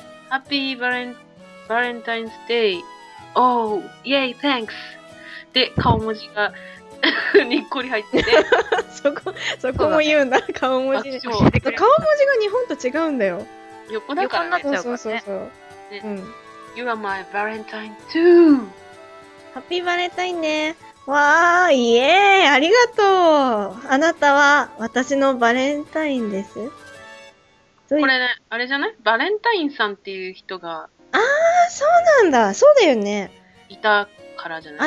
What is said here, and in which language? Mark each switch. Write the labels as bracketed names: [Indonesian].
[Japanese] ハッピーバレンタインズデイ。 [English] Oh, yay, thanks. [Japanese] で、顔文字がにっこり入ってて。そこも言うんだ、顔文字。顔文字が日本と違うんだよ。横だからね。そうそうそう。ね、うん。 [English] You are my Valentine too. [Japanese] ハッピーバレンタインね。わー、イエーイ、ありがとう。あなたは私のバレンタインです。これね、あれじゃない？バレンタインさんっていう人が。あー、そうなんだ。そうだよね。いたからじゃない？